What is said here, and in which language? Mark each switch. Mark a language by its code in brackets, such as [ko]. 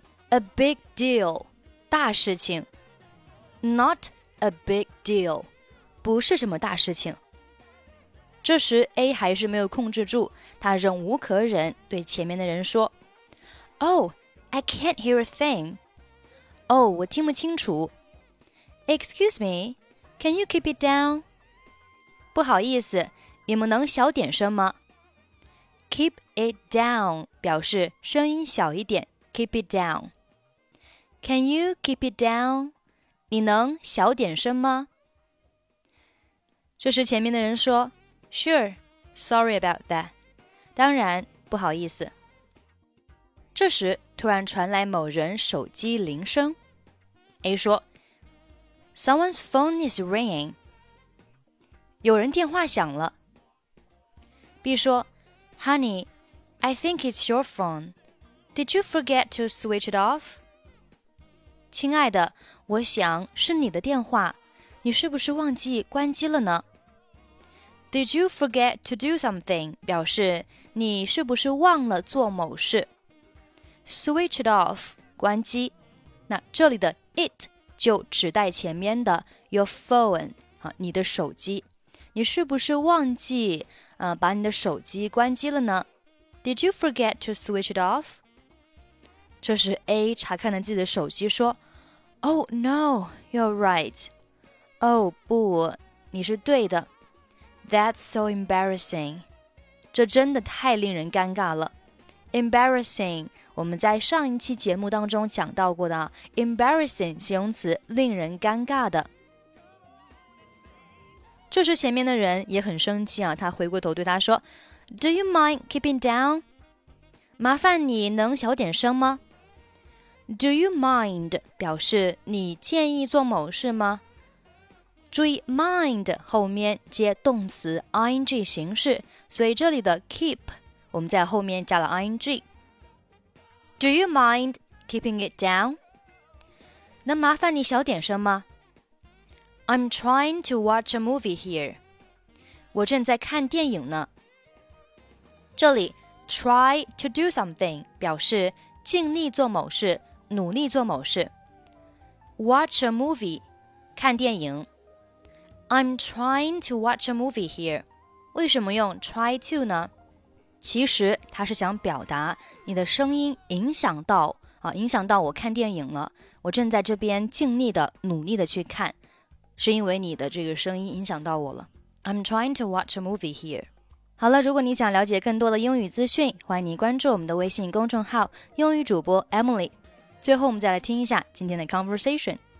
[en] A big deal. [zh] 大事情。 [en] Not a big deal. [zh] 不是什么大事情。这时 A 还是没有控制住他忍无可忍对前面的人说 [en] Oh,I can't hear a thing. [zh] Oh, 我听不清楚。 [en] Excuse me, can you keep it down? [zh] 不好意思，你们能小点声吗 ？ [en] Keep it down [zh] 表示声音小一点。 [en] Keep it down. Can you keep it down? [zh] 你能小点声吗？这时前面的人说 ： [en] “Sure, sorry about that. [zh] 当然，不好意思。” 这时突然传来某人手机铃声。 [en] A 说 Someone's phone is ringing. [zh] 有人电话响了。B 说 [en] Honey, I think it's your phone. Did you forget to switch it off? [zh] 亲爱的，我想是你的电话。你是不是忘记关机了呢？ [en] Did you forget to do something? [zh] 表示你是不是忘了做某事。 [en] Switch it off, [zh] 关机。那这里的 it 就指代前面的 [en] your phone, [zh] 好，你的手机。你是不是忘记把你的手机关机了呢？ [en] Did you forget to switch it off? [zh] 这时 A 查看了自己的手机说 [en] Oh no, you're right. [zh] Oh, 不，你是对的。 [en] That's so embarrassing. [zh] 这真的太令人尴尬了。 Embarrassing, 我们在上一期节目当中讲到过的 embarrassing 形容词，令人尴尬的。这时前面的人也很生气啊，他回过头对他说 [en] Do you mind keeping down? [zh] 麻烦你能小点声吗？ [en] Do you mind [zh] 表示你介意做某事吗？注意 mind 后面接动词 ing 形式，所以这里的 keep 我们在后面加了 ing。 [en] Do you mind keeping it down? [zh] 能麻烦你小点声吗？ [en] I'm trying to watch a movie here. [zh] 我正在看电影呢。这里 [en] try to do something [zh] 表示尽力做某事，努力做某事。 [en] Watch a movie [zh] 看电影。 [en] I'm trying to watch a movie here. [zh] 为什么用 try to 呢？其实他是想表达你的声音影响到我看电影了。我正在这边尽力的努力的去看，是因为你的这个声音影响到我了。 [en] I'm trying to watch a movie here. [zh] 好了，如果你想了解更多的英语资讯，欢迎你关注我们的微信公众号英语主播 Emily。最后，我们再来听一下今天的 conversation。